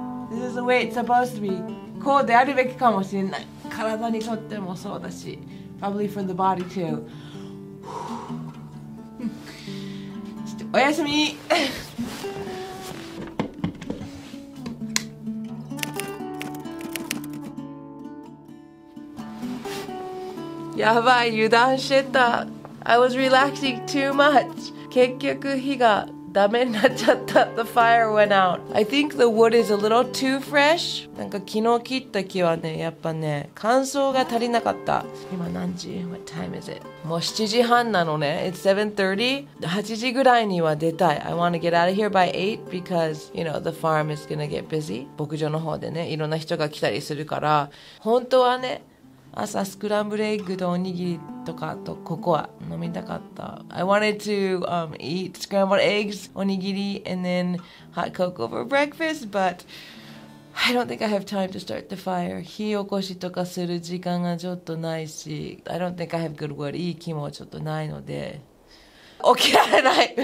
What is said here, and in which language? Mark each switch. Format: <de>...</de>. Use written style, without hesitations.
<en>This is the way it's supposed to be.</en> <ja>こうであるべきかもしれない。体にとってもそうだし、</ja> <en>probably for the body too.</en> <ja>ちょっとおやすみ。やばい、油断してた。</ja> <en>I was relaxing too much.</en> <ja>結局火がダメになっちゃった。</ja> <en>The fire went out. I think the wood is a little too fresh.</en> <ja>なんか昨日切った木はね、やっぱね、乾燥が足りなかった。今何時？</ja> <en>What time is it?</en> <ja>もう7時半なのね。</ja> <en>It's 7:30.</en> <ja>8時ぐらいには出たい。</ja> <en>I want to get out of here by 8 because, you know, the farm is gonna get busy.</en> <ja>牧場の方でね、いろんな人が来たりするから、本当はね、朝スクランブルエッグとおにぎりとかとココア飲みたかった。</ja> <en>I wanted to eat scrambled eggs, おにぎり and then hot cocoa for breakfast, but I don't think I have time to start the fire.</en> <ja>火起こしとかする時間がちょっとないし、</ja> <en>I don't think I have good wood.</en> <ja>いい気もちょっとないので、起きられない。</ja>